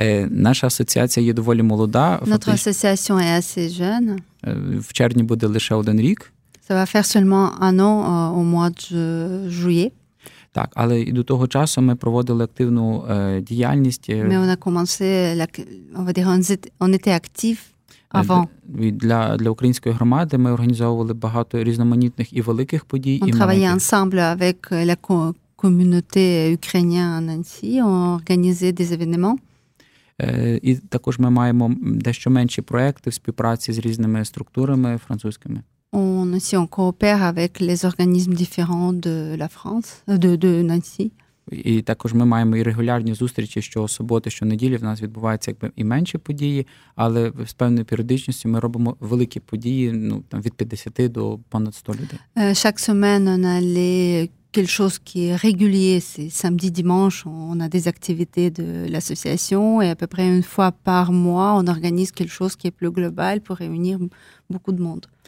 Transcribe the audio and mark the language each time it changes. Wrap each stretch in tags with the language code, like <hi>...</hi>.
<uk>Наша асоціація є доволі молода.</uk> <fr>Notre association est assez jeune.</fr> <uk>В червні буде лише один рік.</uk> <fr>Ça va faire seulement un an au mois de juillet.</fr> <uk>Так, але і до того часу ми проводили активну діяльність.</uk> <fr>Mais on a commencé, on va dire, on était actif. Avant.</fr> <uk>Для української громади ми організовували багато різноманітних і великих подій.</uk> <fr>On travaillait ensemble avec la communauté ukrainienne à Nancy, on organisait des événements.</fr> <uk>І також ми маємо дещо менші проекти в співпраці з різними структурами французькими.</uk> <fr>On aussi on coopère avec les organismes différents de la France, de Nancy.</fr> <uk>І також ми маємо і регулярні зустрічі, що суботи, що неділі в нас відбуваються якби і менші події, але з певною періодичністю ми робимо великі події, ну, там від 50 до понад 100 людей.</uk> <fr>Chaque semaine on a quelque chose qui est régulier, c'est samedi dimanche, on a des activités de l'association et à peu près une fois par mois, on organise quelque chose qui est plus global pour réunir beaucoup de monde.</fr>